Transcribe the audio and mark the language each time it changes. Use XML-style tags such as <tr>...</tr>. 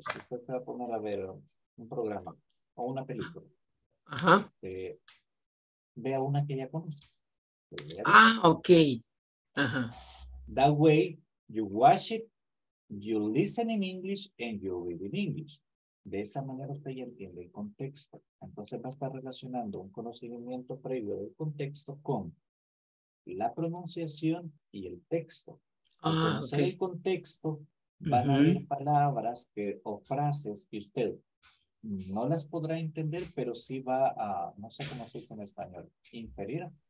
<es>Si usted se va a poner a ver un programa o una película, vea una que ya conoce.</es> <en>Okay. That way, you watch it, you listen in English, and you read in English.</en> <es>De esa manera usted ya entiende el contexto. Entonces va a estar relacionando un conocimiento previo del contexto con la pronunciación y el texto. Al conocer el contexto, van a haber palabras que, o frases que usted no las podrá entender, pero sí va a, no sé cómo se dice en español, inferir.</es>